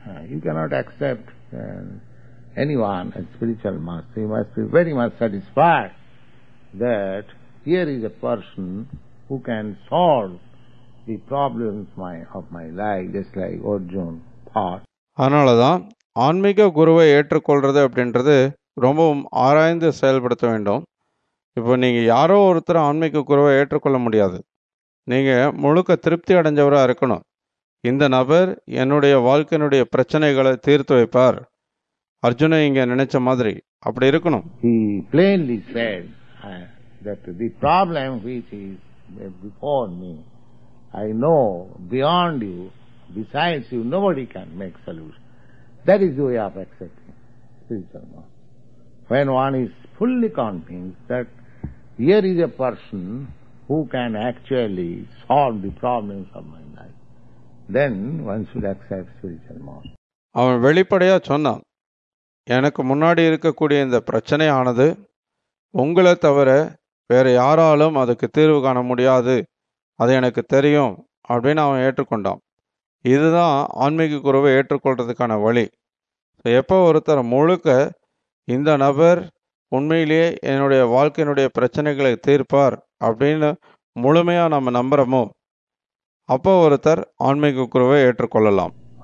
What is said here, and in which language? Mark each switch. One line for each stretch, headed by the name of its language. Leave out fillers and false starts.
English: You cannot accept anyone as spiritual master. You must be very much satisfied that here is a person who can solve the problems of my life, just like Arjuna thought.
Tamil: அதனாலதான் ஆன்மீக குருவை ஏற்றுக்கொள்றது அப்படின்றது ரொம்பவும் ஆராய்ந்து செயல்படுத்த வேண்டும். இப்போ நீங்க யாரோ ஒருத்தர் ஆன்மீக குருவை ஏற்றுக்கொள்ள முடியாது, நீங்க முழுக்க திருப்தி அடைஞ்சவராக இருக்கணும். இந்த நபர் என்னுடைய வாழ்க்கையினுடைய பிரச்சனைகளை தீர்த்து வைப்பார், அர்ஜுனை இங்க நினைச்ச மாதிரி அப்படி இருக்கணும்.
English: He plainly said that the problem which is before me, I know beyond you, besides you, nobody can make solution. That is the way of accepting spiritual mind. When one is fully convinced that here is a person who can actually solve the problems of my life, then one should accept spiritual mind.
Tamil: அவன் வெளிப்படையா சொன்னான், எனக்கு முன்னாடி இருக்கக்கூடிய இந்த பிரச்சனையானது உங்களை தவிர வேற யாராலும் அதுக்கு தீர்வு காண முடியாது, அது எனக்கு தெரியும் அப்படின்னு அவன் ஏற்றுக்கொண்டான். இதுதான் ஆன்மீக குருவை ஏற்றுக்கொள்றதுக்கான வழி. ஸோ எப்போ ஒருத்தர் முழுக்க இந்த நபர் உண்மையிலேயே என்னுடைய வாழ்க்கையினுடைய பிரச்சனைகளை தீர்ப்பார் அப்படின்னு முழுமையாக நம்ம நம்புகிறோமோ அப்போ ஒருத்தர் ஆன்மீக குருவை ஏற்றுக்கொள்ளலாம்.